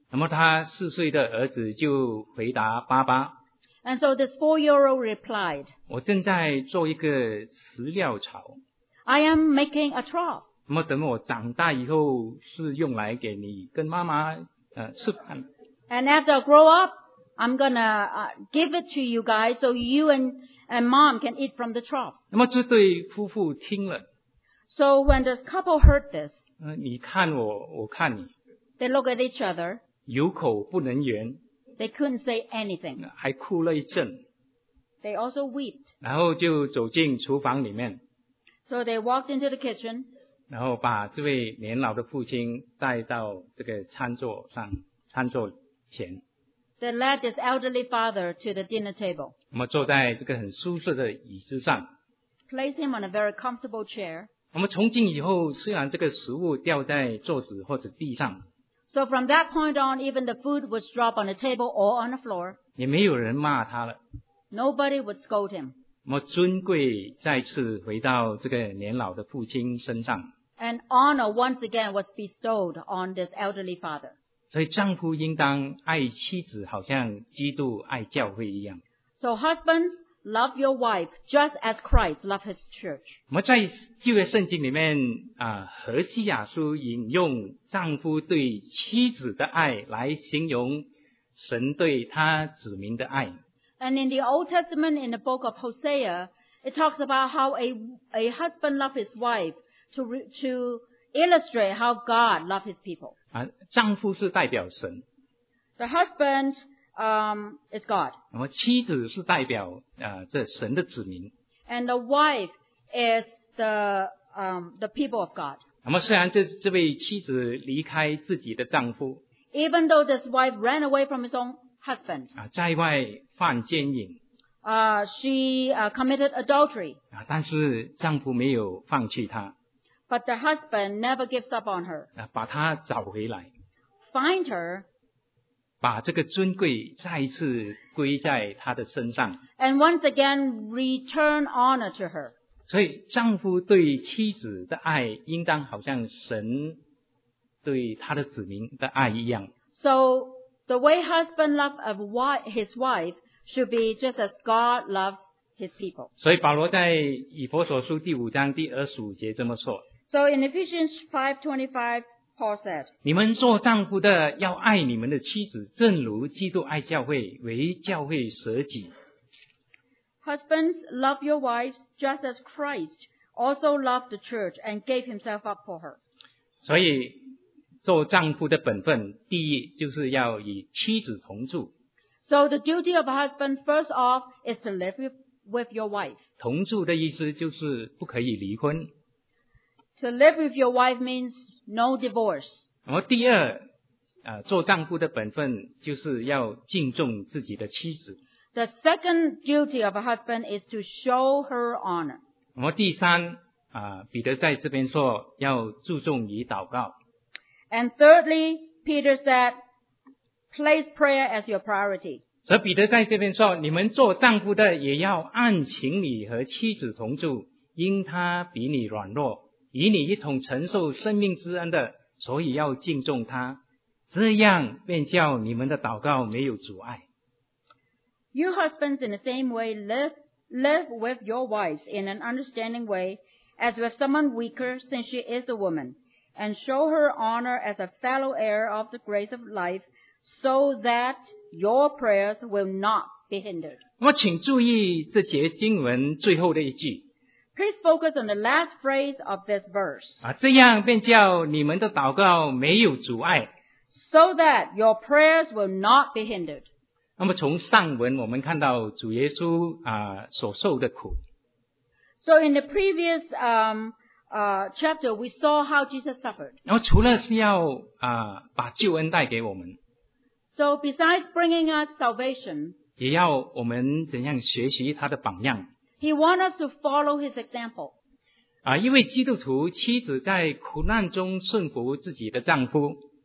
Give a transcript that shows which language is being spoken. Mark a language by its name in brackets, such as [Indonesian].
[Chinese] 那么他四岁的儿子就回答爸爸 [English] And so this four-year-old replied, [Chinese] 我正在做一个饲料槽。 [English] I am making a trough. [Chinese] 那么等我长大以后是用来给你跟妈妈吃饭。 [English] And after I grow up, I'm gonna give it to you guys so you and mom can eat from the trough. [Chinese] 那么这对夫妇听了。 [English] So when this couple heard this, [Chinese] 你看我，我看你。 [English] They look at each other. [Chinese] 有口不能言。 [English] They couldn't say anything. [Chinese] 还哭了一阵。 [English] They also wept. [Chinese] 然后就走进厨房里面。 [English] So they walked into the kitchen. [Chinese] 然后把这位年老的父亲带到这个餐桌上，餐桌前。 [English] They led his elderly father to the dinner table. [Chinese] 那么坐在这个很舒适的椅子上。 [English] Place him on a very comfortable chair. [Chinese] 那么从今以后，虽然这个食物掉在桌子或者地上。 [English] So from that point on, even the food was dropped on the table or on the floor. [Chinese] 也没有人骂他了。 [English] Nobody would scold him. [Chinese] 那么尊贵再次回到这个年老的父亲身上。 [English] And honor once again was bestowed on this elderly father. [Chinese] 所以丈夫应当爱妻子，好像基督爱教会一样。 [English] So husbands, love your wife just as Christ loved his church. [Chinese] 我们在旧约圣经里面何西亚书引用丈夫对妻子的爱来形容神对他子民的爱。 [English] And in the Old Testament, in the book of Hosea, it talks about how a husband loved his wife to illustrate how God loved his people. [Chinese] 丈夫是代表神。 [English] The husband is God. [Chinese] 那么妻子是代表这神的子民。 [English] And the wife is the people of God. [Chinese] 那么虽然这位妻子离开自己的丈夫。 [English] Even though this wife ran away from his own husband. [Chinese] 在外犯奸淫。 [English] She committed adultery. [Chinese] 但是丈夫没有放弃她。 [English] But the husband never gives up on her. [Chinese] 把她找回来。 [English] Find her. [Chinese] 把这个尊贵再次归在她的身上。 [English] And once again, return honor to her. [Chinese] 所以丈夫对妻子的爱应当好像神对他的子民的爱一样。 [English] So, the way husband loves his wife should be just as God loves his people. [Chinese] 所以保罗在以弗所书第五章第二十五节这么说。 [English] So, in Ephesians 5:25, [Chinese] 你们做丈夫的要爱你们的妻子，正如基督爱教会，为教会舍己。 [English] Husbands, love your wives just as Christ also loved the church and gave himself up for her. [Chinese] 所以做丈夫的本分，第一就是要与妻子同住。 [English] So the duty of a husband, first off, is to live with your wife. [Chinese] 同住的意思就是不可以离婚。 [English] To live with your wife means no divorce. [Chinese] 然后第二，做丈夫的本分就是要敬重自己的妻子。 [English] The second duty of a husband is to show her honor. [Chinese] 然后第三，彼得在这边说要注重于祷告。 [English] And thirdly, Peter said, place prayer as your priority. [Chinese] 所以彼得在这边说，你们做丈夫的也要按情理和妻子同住，因她比你软弱。与你一同承受生命之恩的，所以要敬重他，这样便叫你们的祷告没有阻碍。 [English] You husbands in the same way live with your wives in an understanding way as with someone weaker since she is a woman, and show her honor as a fellow heir of the grace of life so that your prayers will not be hindered. [Chinese] 我请注意这节经文最后的一句。 [English] Please focus on the last phrase of this verse. [Chinese] 这样便叫你们的祷告没有阻碍。 [English] So that your prayers will not be hindered. [Chinese] 那么从上文我们看到主耶稣所受的苦。 [English] So in the previous chapter, we saw how Jesus suffered. [Chinese] 然后除了是要把救恩带给我们。 [English] So besides bringing us salvation, [Chinese] 也要我们怎样学习他的榜样。 [English] He wants us to follow his example. [Chinese] 因为基督徒妻子在苦难中顺服自己的丈夫。